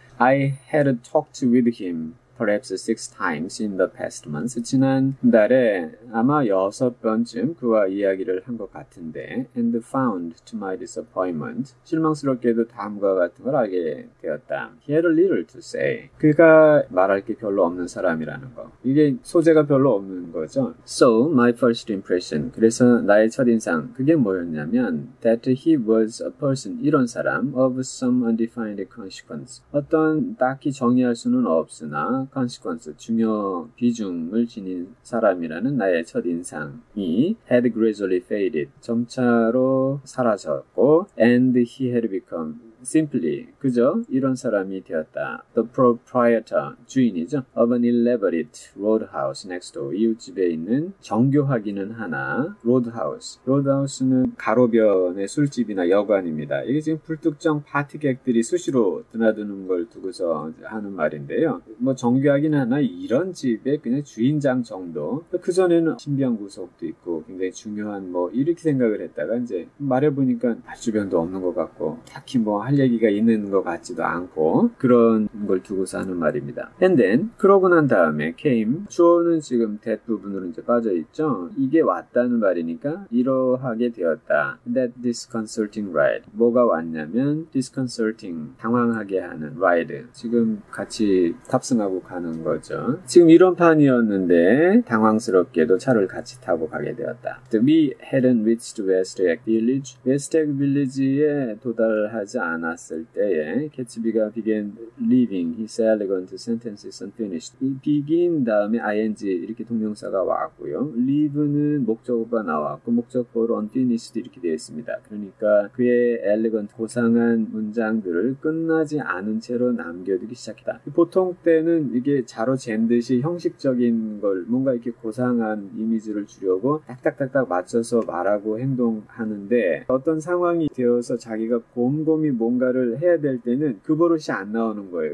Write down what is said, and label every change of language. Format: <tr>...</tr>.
<en>I had talked with him perhaps six times in the past months.</en> <ko>지난달에 아마 여섯 번쯤 그와 이야기를 한것 같은데,</ko> <en>and found to my disappointment,</en> <ko>실망스럽게도 다음과 같은 걸 알게 되었다.</ko> <en>He had little to say.</en> <ko>그가 말할 게 별로 없는 사람이라는 거. 이게 소재가 별로 없는 거죠.</ko> <en>So, my first impression.</en> <ko>그래서 나의 첫인상. 그게 뭐였냐면,</ko> <en>that he was a person.</en> <ko>이런 사람.</ko> <en>of some undefined consequence.</en> <ko>어떤 딱히 정의할 수는 없으나, 컨시퀀스, 중요 비중을 지닌 사람이라는 나의 첫 인상이</ko> <en>had gradually faded,</en> <ko>점차로 사라졌고,</ko> <en>and he had become simply,</en> <ko>그저 이런 사람이 되었다.</ko> <en>The proprietor,</en> <ko>주인이죠,</ko> <en>of an elaborate roadhouse next door,</en> <ko>이웃집에 있는 정교하기는 하나,</ko> <en>roadhouse.</en> <ko>roadhouse는 가로변의 술집이나 여관입니다. 이게 지금 불특정 파티객들이 수시로 드나드는 걸 두고서 하는 말인데요. 뭐 정교하기는 하나, 이런 집의 그냥 주인장 정도. 그전에는 신비한 구석도 있고 굉장히 중요한 뭐 이렇게 생각을 했다가 이제 말해보니까 말 주변도 없는 것 같고 딱히 뭐할 얘기가 있는 것 같지도 않고 그런 걸 두고서 하는 말입니다. And then 그러고 난 다음에 came, 주어는 지금 that 부분으로 이제 빠져 있죠. 이게 왔다는 말이니까 이러하게 되었다.</ko> <en>That disconcerting ride,</en> <ko>뭐가 왔냐면 disconcerting, 당황하게 하는 ride, 지금 같이 탑승하고 가는 거죠. 지금 이런 판이었는데 당황스럽게도 차를 같이 타고 가게 되었다.</ko> <en>We hadn't reached Westack Village. Westack Village에</en> <ko>도달하지 않았을 때에 개츠비가</ko> <en>began leaving his elegant sentences unfinished.</en> <ko>이 begin 다음에 ing 이렇게 동명사가 왔고요. leave는 목적어가 나왔고 목적어로 unfinished 이렇게 되어 있습니다. 그러니까 그의 elegant 고상한 문장들을 끝나지 않은 채로 남겨두기 시작했다. 보통 때는 이게 자로 잰 듯이 형식적인 걸 뭔가 이렇게 고상한 이미지를 주려고 딱딱딱딱 맞춰서 말하고 행동하는데 어떤 상황이 되어서 자기가 곰곰이 뭔가를 해야 될 때는 그 버릇이 안 나오는 거예요.</ko>